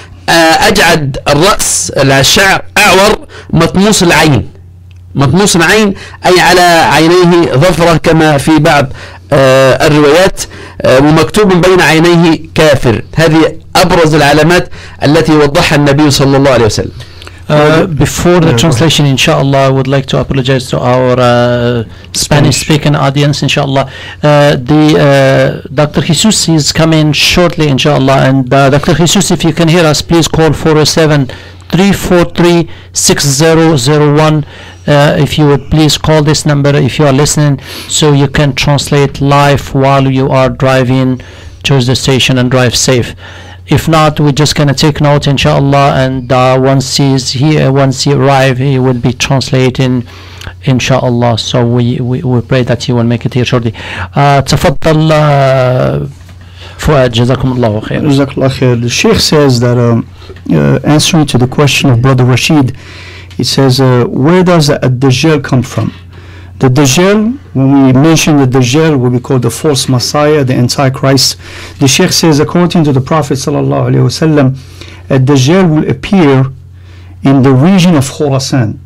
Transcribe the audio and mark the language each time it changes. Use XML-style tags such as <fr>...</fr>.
<ar>أجعد الرأس الشعر أعور، مطموس العين، مطموس العين أي على عينيه ظفرة كما في بعض الروايات، ومكتوب بين عينيه كافر. هذه أبرز العلامات التي وضحها النبي صلى الله عليه وسلم.</ar> <en>Before the translation, inshallah, I would like to apologize to our Spanish-speaking audience, inshallah. Dr. Jesus is coming shortly, inshallah. And Dr. Jesus, if you can hear us, please call 407-343-6001. If you would please call this number if you are listening, so you can translate live while you are driving towards the station and drive safe. If not, we're just going to take note, inshallah, and once he's here, once he arrives, he will be translating, inshallah. So we pray that he will make it here shortly.</en> <ar>تفضل فؤاد جزاكم الله خير. جزاك الله خير.</ar> <en>The Sheikh says that answering to the question of Brother Rashid, he says, where does the Dajjal come from? The Dajjal, when we mention the Dajjal, will be called the false Messiah, the Antichrist. The Sheikh says, according to the Prophet sallallahu alaihi wasallam, a Dajjal will appear in the region of Khorasan.</en>